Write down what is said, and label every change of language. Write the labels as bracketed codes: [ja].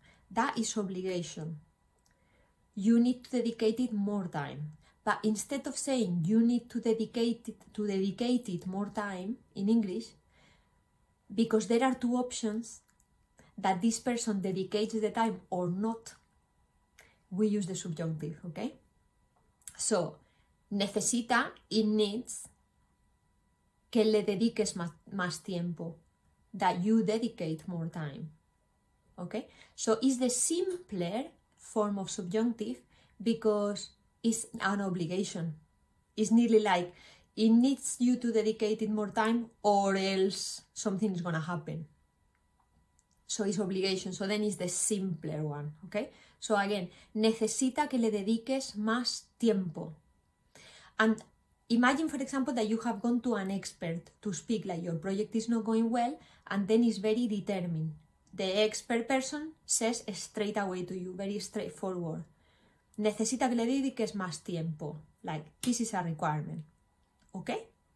[en] That is obligation. You need to dedicate it more time. But instead of saying you need to dedicate it more time in English, because there are two options, that this person dedicates the time or not, we use the subjunctive, okay? [es] So, necesita, [en] it needs, [es] que le dediques más tiempo. [en] That you dedicate more time, okay? So it's the simpler form of subjunctive because it's an obligation. It's nearly like, it needs you to dedicate it more time or else something is gonna happen. So it's obligation, so then it's the simpler one, okay? [es] So again, necesita que le dediques más tiempo. [en] And imagine, for example, that you have gone to an expert to speak, like your project is not going well, and then it's very determined. The expert person says straight away to you, very straightforward, [es] necesita que le dediques más tiempo. [en] Like, this is a requirement. Okay?